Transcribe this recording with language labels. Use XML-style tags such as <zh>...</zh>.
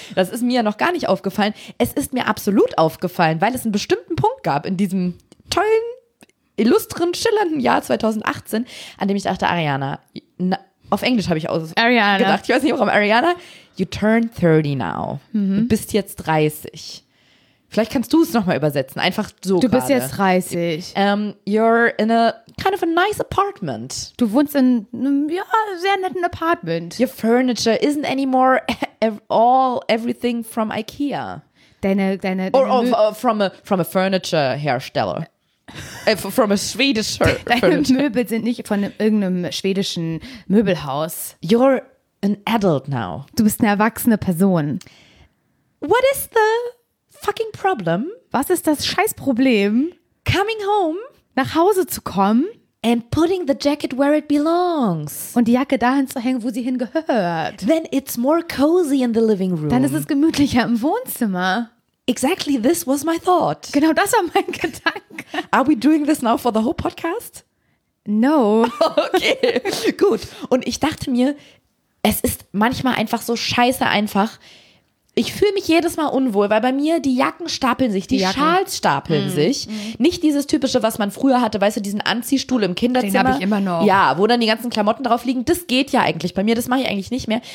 <de>Das ist mir ja noch gar nicht aufgefallen. Es ist mir absolut aufgefallen, weil es einen bestimmten Punkt gab in diesem tollen, illustren, schillernden Jahr 2018, an dem ich dachte, Ariana, auf Englisch habe ich gedacht, ich weiß nicht warum, Ariana,</de> <en>you turn 30 now. Mhm.</en> <de>Du bist jetzt 30. Vielleicht kannst du es nochmal übersetzen, einfach so. Du grade. Bist jetzt 30.</de> <en>You're in a kind of a nice apartment.</en> <de>Du wohnst in einem, ja, sehr netten Apartment.</de> <en>Your furniture isn't anymore everything from IKEA. From a furniture hersteller. From a Swedish furniture.</en> <de>Deine Möbel sind nicht von irgendeinem schwedischen Möbelhaus.</de> <en>You're an adult now.</en> <de>Du bist eine erwachsene Person.</de> <en>What is the fucking problem?</en> <de>Was ist das Scheißproblem?</de> <en>Coming home?</en> <de>Nach Hause zu kommen?</de> <en>and putting the jacket where it belongs.</en> <de>Und die Jacke dahin zu hängen, wo sie hingehört.</de> <en>Then it's more cozy in the living room.</en> <de>Dann ist es gemütlicher im Wohnzimmer.</de> <en>Exactly, this was my thought.</en> <de>Genau das war mein Gedanke.</de> <en>Are we doing this now for the whole podcast? No.</en> <de>Okay, gut. Und ich dachte mir, es ist manchmal einfach so scheiße einfach. Ich fühle mich jedes Mal unwohl, weil bei mir die Jacken stapeln sich, die Schals stapeln sich. Nicht dieses typische, was man früher hatte, weißt du, diesen Anziehstuhl im Kinderzimmer. Den habe ich immer noch. Ja, wo dann die ganzen Klamotten drauf liegen. Das geht ja eigentlich bei mir, das mache ich eigentlich nicht mehr.</de>